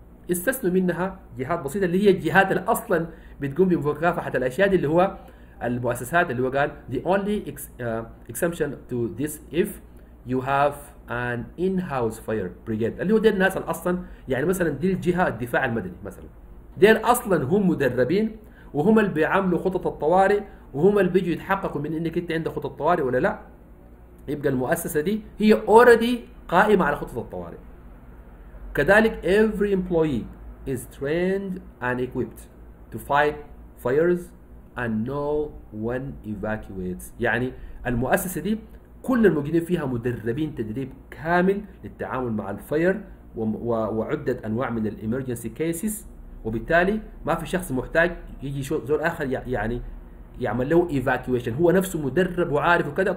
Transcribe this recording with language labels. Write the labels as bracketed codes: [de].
[ar] استثنوا منها جهات بسيطة اللي هي الجهات اللي أصلا بتقوم بمكافحة الأشياء دي، اللي هو المؤسسات اللي هو قال [en] the only exemption to this if you have an in-house fire brigade، [ar] اللي هو دي الناس الأصلا، يعني مثلا دي الجهة الدفاع المدني مثلا، دي أصلا هم مدربين وهم اللي بيعملوا خطط الطوارئ وهم اللي بيجوا يتحققوا من انك انت عندك خطط طوارئ ولا لا. يبقى المؤسسه دي هي اوريدي قائمه على خطط الطوارئ. كذلك [en] every employee is trained and equipped to fight fires and no one evacuates. [ar] يعني المؤسسه دي كل الموجودين فيها مدربين تدريب كامل للتعامل مع الفاير وعده انواع من الامرجنسي كيسز، وبالتالي ما في شخص محتاج يجي زول اخر يعني يعمل له ايفاكيويشن، هو نفسه مدرب وعارف وكذا.